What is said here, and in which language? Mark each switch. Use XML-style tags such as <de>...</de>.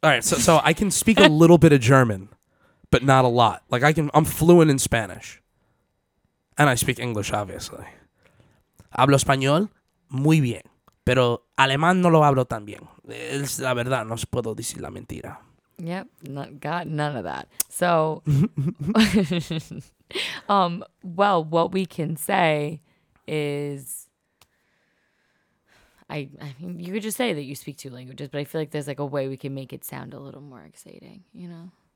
<en>All right, so I can speak a little bit of German, but not a lot. Like I'm fluent in Spanish. And I speak English, obviously.</en> <es>Hablo español muy bien, pero alemán no lo hablo tan bien. Es la verdad, no puedo decir la mentira.</es> <en>Yep, not got none of that. So, well, what we can say is, I mean, you could just say that you speak two languages, but I feel like there's like a way we can make it sound a little more exciting, you know?</en>